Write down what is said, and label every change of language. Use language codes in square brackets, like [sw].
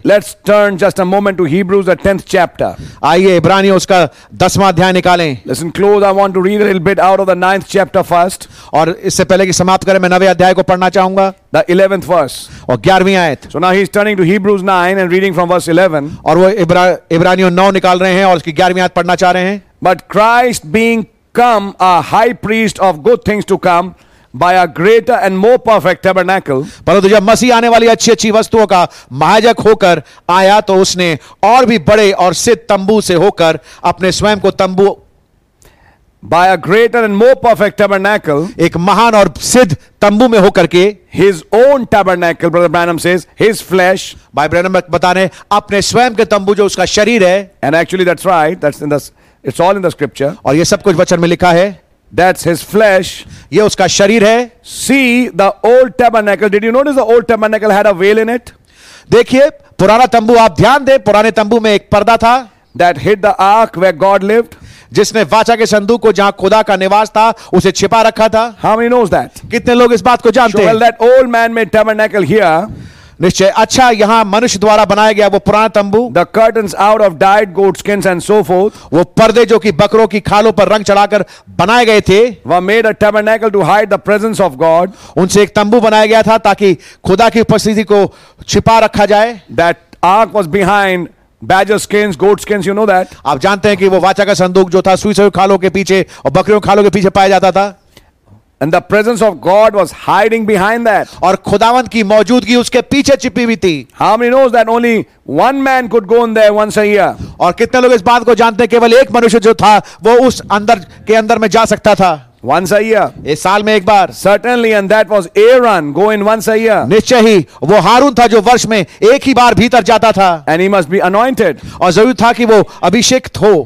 [en] Let's turn just a moment to Hebrews the 10th chapter. [hi] आइए इब्रानियों उसका दसवां अध्याय निकालें. [en] Listen close, I want to read a little bit out of the 9th chapter first. [hi] और इससे पहले कि समाप्त करें, मैं नवे अध्याय को पढ़ना चाहूंगा. [en] The 11th verse. [hi] और 11वीं आयत. [en] So now he's turning to Hebrews 9 and reading from verse 11. [hi] और वो इब्रानियों 9 निकाल रहे हैं और उसकी 11वीं आयत पढ़ना चाह रहे हैं. [en] But Christ being come a high priest of good things to come by a greater and more perfect tabernacle. [hi] परंतु जब मसीह आने वाली अच्छी अच्छी वस्तुओं का महायाजक होकर आया, तो उसने और भी बड़े और सिद्ध तंबू से होकर अपने स्वयं को तंबू, [en] by a greater and more perfect tabernacle, [hi] एक महान और सिद्ध तंबू में होकर के, [en] his own tabernacle, brother Branham says, his flesh, [hi] by Branham बताने अपने स्वयं के तंबू जो उसका शरीर है, [en] and actually that's right, that's in the, it's all in the scripture, [hi] और ये सब कुछ वचन में लिखा है. [en] That's his flesh. [hi] ये उसका शरीर है. [en] See the old tabernacle. Did you notice the old tabernacle had a veil in it? [hi] देखिए पुराना तंबू, आप ध्यान दें, पुराने तंबू में एक पर्दा था. [en] That hid the ark where God lived. [hi] जिसने वाचा के संदूक को, जहां खुदा का निवास था, उसे छिपा रखा था. [en] How many knows that? [hi] कितने लोग इस बात को जानते हैं? [en] That old man made tabernacle here. [hi] निश्चय अच्छा यहां मनुष्य द्वारा बनाया गया वो पुराना तंबू. [en] The curtains out of dyed goat skins and so forth. [hi] वो पर्दे जो कि बकरों की खालों पर रंग चढ़ाकर बनाए गए थे. [en] Were made a tabernacle to hide the presence of God. [hi] उनसे एक तंबू बनाया गया था ताकि खुदा की उपस्थिति को छिपा रखा जाए. [en] That ark was behind badger skins, goat skins, you know that. [hi] आप जानते हैं कि वो वाचा का संदूक जो था सुई सुई खालों के पीछे और बकरियों खालों के पीछे पाया जाता था. [en] And the presence of God was hiding behind that. [hi] और खुदावंत की मौजूदगी उसके पीछे छिपी हुई थी. [en] How many knows that only one man could go in there once a year? [hi] और कितने लोग इस बात को जानते हैं केवल एक मनुष्य जो था वो उस अंदर के अंदर में जा सकता था. [en] Once a year. [hi] इस साल में एक बार. [en] Certainly, and that was Aaron going once a year. [hi] निश्चय ही वो हारून था जो वर्ष में एक ही बार भीतर जाता था. [en] And he must be anointed. [hi] और जरूर था कि वो अभिषिक्त हो.